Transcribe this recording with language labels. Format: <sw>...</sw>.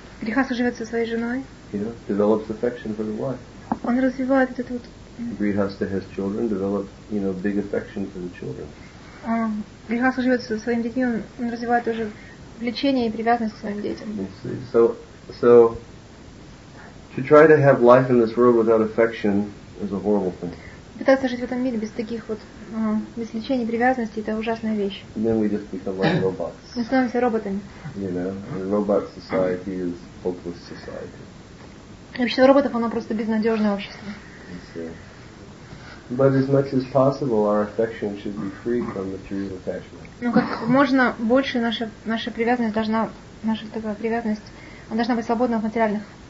<ru>Грихаста живет со своей женой.</ru> <en>You know, develops affection for the wife.</en> <ru>Он развивает вот это вот.</ru> <en>Грихаста has children, develops, you know, big affection for the children.</en> <ru>Грихаста живет со своими детьми, он развивает уже влечение и привязанность к своим детям.</ru> <en>So, to try to have life in this world without affection is a horrible thing.</en> <ru>Пытаться жить в этом мире без таких вот без лечения, привязанности — это ужасная вещь.</ru> <en>Then we just become like robots.</en> <ru>Мы становимся роботами.</ru> <en>You know, robot society is hopeless society.</en> <ru>Общество роботов — оно просто безнадежное общество.</ru> <en>But as much as possible, our affection should be free from material attachment.</en> <ru>Ну как можно больше наша привязанность должна наша такая привязанность, она должна быть свободна от материальных.</ru>